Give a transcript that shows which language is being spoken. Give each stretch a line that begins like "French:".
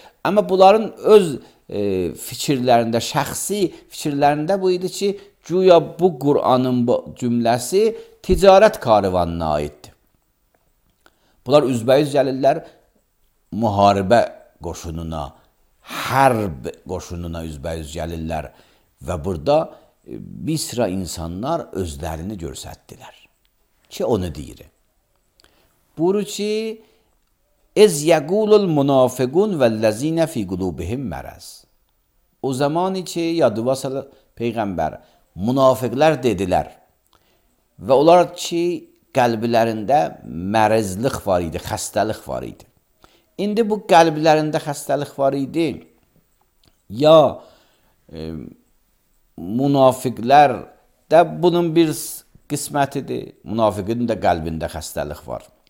Azerbaijani: Amma bunların öz fikirlərində, şəxsi fikirlərində bu idi ki, Güya bu Kur'an'ın bu cümlesi ticaret karavanına aitti. Bunlar üzbəyüz gəlirlər müharibə qoşununa, hərb qoşununa üzbəyüz gəlirlər və burada bir sıra insanlar özlərini göstərdilər. Ki onu deyirəm. Buru ki,
Arabic: اِذْ يَقُولُ الْمُنَافِقُونَ وَالَّذِينَ فِي قُلُوبِهِمْ مَرَضٌ.
Azerbaijani: O zaman ki, yadıvasal Peyğəmbər, münafıqlar dedilər və onlar ki, qəlblərində mərzlik var idi, xəstəlik var idi. İndi bu qəlblərində xəstəlik var idi, ya münafıqlar da bunun bir qismətidir, münafıqın da qəlbində xəstəlik var.